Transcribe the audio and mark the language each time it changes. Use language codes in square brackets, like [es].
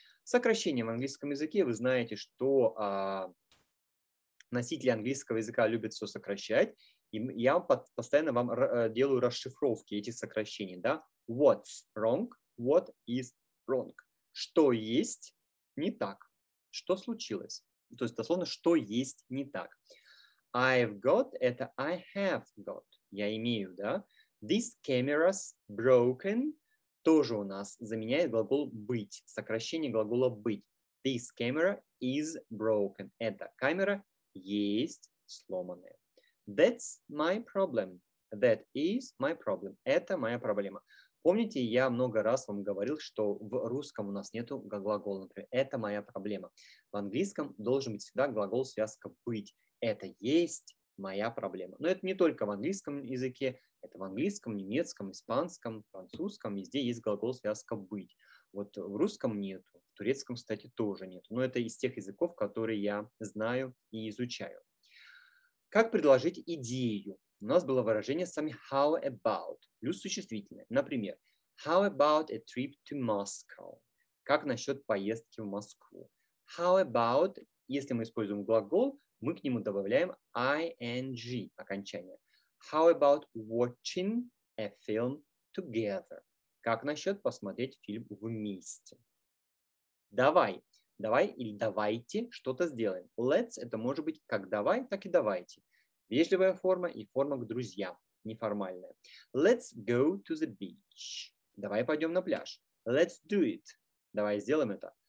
[ru] Сокращение в английском языке. Вы знаете, что носители английского языка любят все сокращать. И я постоянно вам делаю расшифровки этих сокращений. [en] Да? What's wrong? What is wrong? [ru] Что есть не так? Что случилось? То есть, дословно, что есть не так? [en] I've got – это I have got. [ru] Я имею, да? [en] This camera's broken [ru] – тоже у нас заменяет глагол быть. Сокращение глагола быть. [en] This camera is broken. [ru] Это камера есть сломанная. [en] That's my problem. That is my problem. [ru] Это моя проблема. Помните, я много раз вам говорил, что в русском у нас нету глагола, например, это моя проблема. В английском должен быть всегда глагол связка быть. Это есть моя проблема. Но это не только в английском языке, это в английском, немецком, испанском, французском. Везде есть глагол связка быть. Вот в русском нету, в турецком, кстати, тоже нету. Но это из тех языков, которые я знаю и изучаю. Как предложить идею? У нас было выражение сами how about, плюс существительное. [en] Например, how about a trip to Moscow? [ru] Как насчет поездки в Москву? [en] How about, [ru] если мы используем глагол, мы к нему добавляем ing, окончание. [en] How about watching a film together? [ru] Как насчет посмотреть фильм вместе? Давай. Давай или давайте что-то сделаем. Let's – это может быть как давай, так и давайте. Вежливая форма и форма к друзьям, неформальная. [en] Let's go to the beach. [ru] Давай пойдем на пляж. [en] Let's do it. [ru] Давай сделаем это.